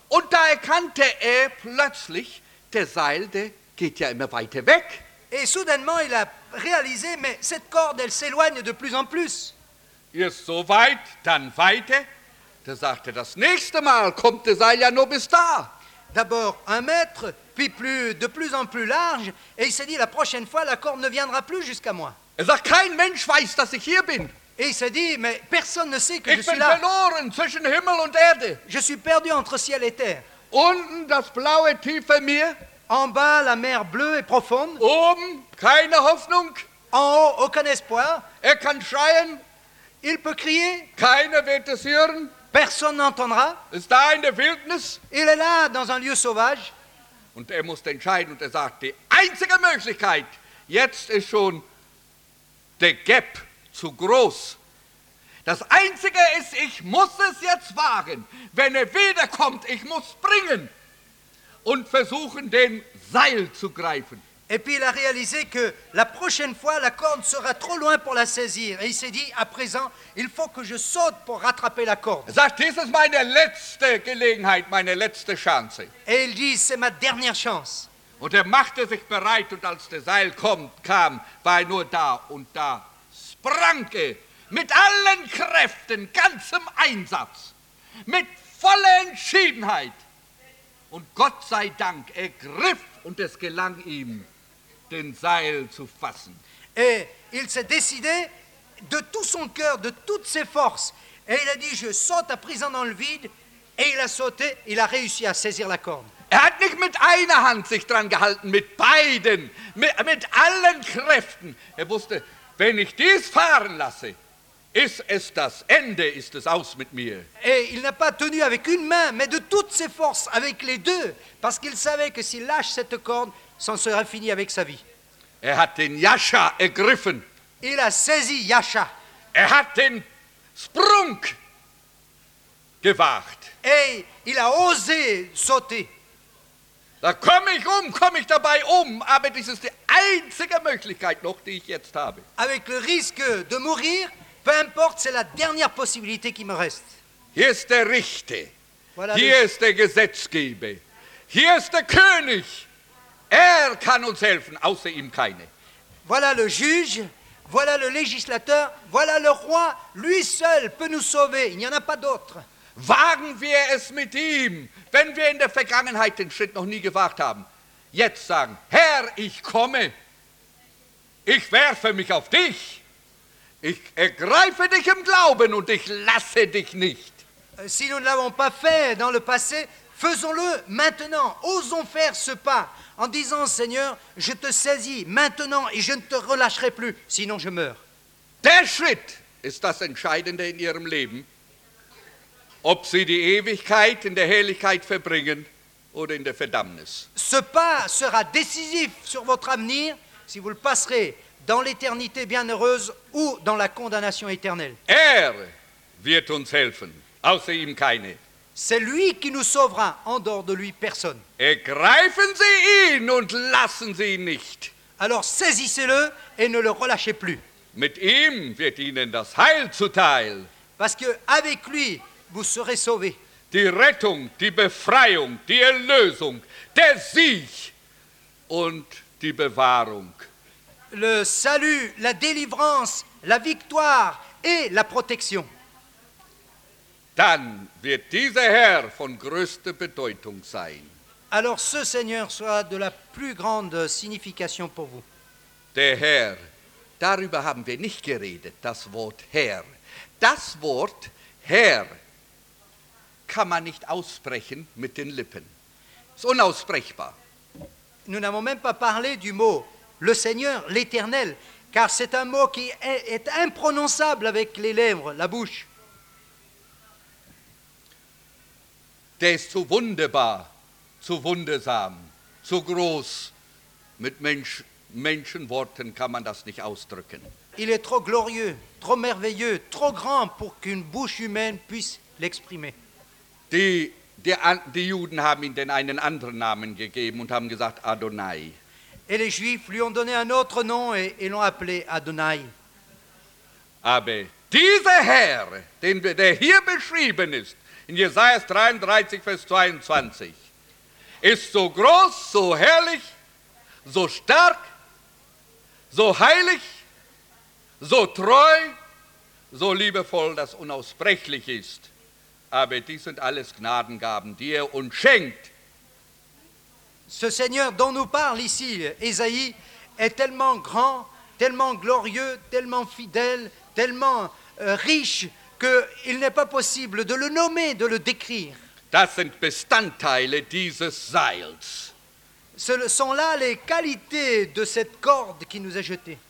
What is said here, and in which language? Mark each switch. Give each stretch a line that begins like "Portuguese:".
German: Und da erkannte er plötzlich, der Seil, der geht ja immer weiter weg.
French: Et soudainement il a réalisé, mais cette corde, elle s'éloigne de plus en plus.
German: Erst so weit, dann weiter. Da sagte, das nächste Mal kommt der Seil ja nur bis da.
French: D'abord un mètre, puis plus, de plus en plus large. Et il s'est dit, la prochaine fois, la corde ne viendra plus jusqu'à moi.
German: Er sagt, kein Mensch weiß, dass ich hier bin.
French: Et il s'est dit, mais personne ne sait que
German: ich
French: je suis là.
German: Ich bin verloren zwischen Himmel und Erde.
French: Je suis perdu entre ciel et terre.
German: Unten das blaue tiefe Meer.
French: En bas, la mer bleue et profonde.
German: Oben, keine Hoffnung.
French: En haut, aucun espoir.
German: Er kann schreien.
French: Il peut crier.
German: Keiner wird es hören.
French: Personne n'entendra.
German: Ist da in der Wildnis.
French: Il est là, dans un lieu sauvage.
German: Und er muss entscheiden und er sagt, die einzige Möglichkeit, jetzt ist schon der Gap zu groß. Das Einzige ist, ich muss es jetzt wagen. Wenn er wiederkommt, ich muss springen und versuchen, den Seil zu greifen.
French: Et puis il a réalisé que la prochaine fois, la corde sera trop loin pour la saisir. Et il s'est dit, à présent, il faut que je saute pour rattraper la corde.
German: Sagt, dies ist meine letzte Gelegenheit, meine letzte Chance.
French: Et il dit, c'est ma dernière chance.
German: Und machte sich bereit, und als der Seil kam, war nur da, und da sprang mit allen Kräften, ganzem Einsatz, mit voller Entschiedenheit. Und Gott sei Dank, griff und es gelang ihm, den Seil zu fassen.
French: Et il s'est décidé de tout son cœur, de toutes ses forces. Et il a dit, je saute à présent dans le vide. Et il a sauté, il a réussi à saisir la corde.
German: Hat nicht mit einer Hand sich dran gehalten, mit beiden, mit allen Kräften. Wusste, wenn ich dies fahren lasse, ist es das Ende, ist es aus mit mir.
French: Et il n'a pas tenu avec une main, mais de toutes ses forces, avec les deux, parce qu'il savait que s'il lâche cette corde, ça sera fini avec sa vie.
German: Hat den Jascha ergriffen.
French: Il a saisi Jascha.
German: Hat den Sprung gewagt.
French: Et il a osé sauter.
German: Da komme ich dabei aber dies ist die einzige Möglichkeit noch, die ich jetzt habe.
French: Avec le risque de mourir, peu importe, c'est la dernière possibilité qui me reste.
German: Hier ist der Richter,
French: voilà
German: hier lui. Ist der Gesetzgeber, hier ist der König. Kann uns helfen, außer ihm keine.
French: Voilà le juge, voilà le législateur, voilà le roi, lui seul peut nous sauver, il n'y en a pas d'autre.
German: Wagen wir es mit ihm, wenn wir in der Vergangenheit den Schritt noch nie gewagt haben. Jetzt sagen, Herr, ich komme, ich werfe mich auf dich, ich ergreife dich im Glauben und ich lasse dich nicht.
French: Si nous ne l'avons pas fait dans le passé, faisons-le maintenant, osons faire ce pas, en disant, Seigneur, je te saisis maintenant et je ne te relâcherai plus, sinon je meurs.
German: Der Schritt ist das Entscheidende in Ihrem Leben. Ob sie die Ewigkeit in der Herrlichkeit verbringen oder in der Verdammnis.
French: Ce pas sera décisif sur votre avenir, si vous le passerez dans l'éternité bienheureuse ou dans la condamnation éternelle.
German: Wird uns helfen, außer ihm keine.
French: C'est lui qui nous sauvera, en dehors de lui personne.
German: Ergreifen Sie ihn und lassen Sie ihn nicht.
French: Alors saisissez-le et ne le relâchez plus.
German: Mit ihm wird Ihnen das Heil zuteil.
French: Parce que avec lui vous serez sauvés.
German: Die Rettung, die Befreiung, die Erlösung, der Sieg und die Bewahrung.
French: Le salut, la délivrance, la victoire et la protection.
German: Dann wird dieser Herr von größter Bedeutung sein.
French: Alors ce Seigneur sera de la plus grande signification pour vous.
German: Der Herr, darüber haben wir nicht geredet, das Wort Herr. Das Wort Herr kann man nicht aussprechen mit den Lippen. Ist unaussprechbar.
French: Nous n'avons même pas parlé du mot le Seigneur, l'Éternel, car c'est un mot qui est imprononçable avec les lèvres, la bouche.
German: Der ist zu wunderbar, zu wundersam, zu groß. Mit Menschenworten kann man das nicht ausdrücken.
French: Il est trop glorieux, trop merveilleux, trop grand pour qu'une bouche humaine puisse l'exprimer.
German: Die Juden haben ihm denn einen anderen Namen gegeben und haben gesagt Adonai.
French: Et les Juifs lui ont donné un autre nom et l'ont appelé Adonai.
German: Aber dieser Herr, der hier beschrieben ist, in Jesaja 33, Vers 22, ist so groß, so herrlich, so stark, so heilig, so treu, so liebevoll, dass unaussprechlich ist. Aber dies sind alles Gnadengaben, die uns schenkt.
French: Ce Seigneur dont nous parle ici, Esaïe, est tellement grand, tellement glorieux, tellement fidèle, tellement riche, qu'il n'est pas possible de le nommer, de le décrire.
German: Das sind Bestandteile dieses Seils.
French: Ce sont là les qualités de cette corde qui nous est jetée.